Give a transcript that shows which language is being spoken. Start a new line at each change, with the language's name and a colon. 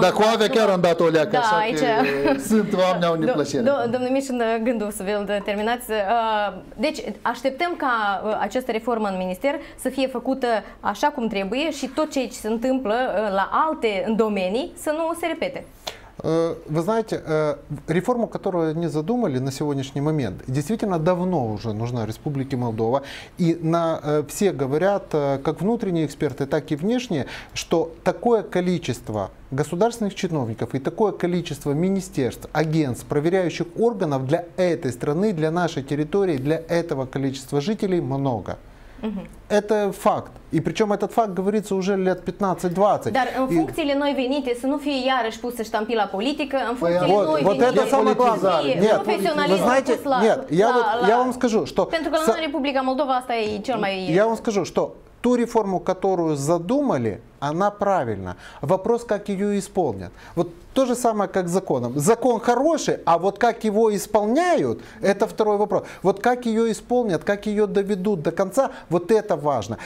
Romanian: Dacă avea chiar am dat o leacă, așa că sunt oameni au neplăcere. Domnul Mișin, gândul să vă terminați. Deci, așteptăm ca această reformă în minister să fie făcută așa cum trebuie și tot ce se întâmplă la alte domenii să nu se repete.
Russian: Вы знаете, реформу, которую они задумали на сегодняшний момент, действительно давно уже нужна Республике Молдова. И на все говорят, как внутренние эксперты, так и внешние, что такое количество государственных чиновников и такое количество министерств, агентств, проверяющих органов для этой страны, для нашей территории, для этого количества жителей много. Это факт. И причем этот факт говорится уже лет 15-20.
Romanian: Dar în funcțiile noi venite să nu fie iarăși pusă ștampila politică, în funcțiile păi,
Russian: вот,
Romanian: noi
Russian: вот
Romanian: venite.
Russian: Вот это самое главное. Я вам скажу, что...
Romanian: Pentru că la Republica Moldova asta e cel мой...
Russian: Я вам скажу, что ту реформу, которую задумали, она правильна. Вопрос, как ее исполнят. Вот то же самое, как с законом. Закон хороший, а вот как его исполняют, это второй вопрос. Вот как ее исполнят, как ее доведут до конца, вот это важно.